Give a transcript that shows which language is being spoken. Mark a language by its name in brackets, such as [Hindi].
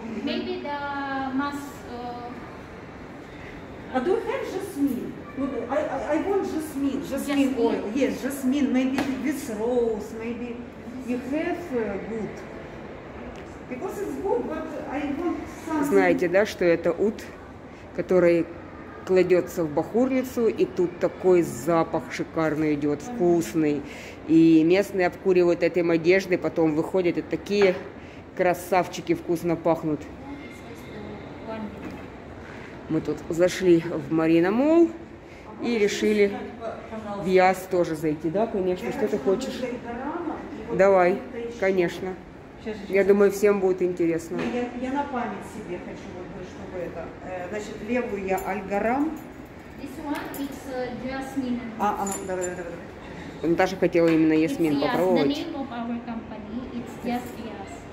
[English] Maybe the mass... А do you have jasmine? I want jasmine. Jasmine oil. Yes, jasmine. Maybe this rose. Maybe you have wood. Because it's wood, but I want something... [Russian] Знаете, да, что это уд, который... кладется в бахурницу, и тут такой запах шикарный идет, вкусный. И местные обкуривают этим одежды, потом выходят, и такие красавчики вкусно пахнут. Мы тут зашли в Marina Mall и решили в Яс тоже зайти. Да, конечно, что ты хочешь? Давай, конечно. Я думаю, всем будет интересно. Я на память себе хочу, чтобы это... Значит, левую я Аль-Гарам. [English] This one is Jasmine. [Russian] Давай. Наташа хотела именно Ясмин попробовать. [English] The name of our company, it's just Yas.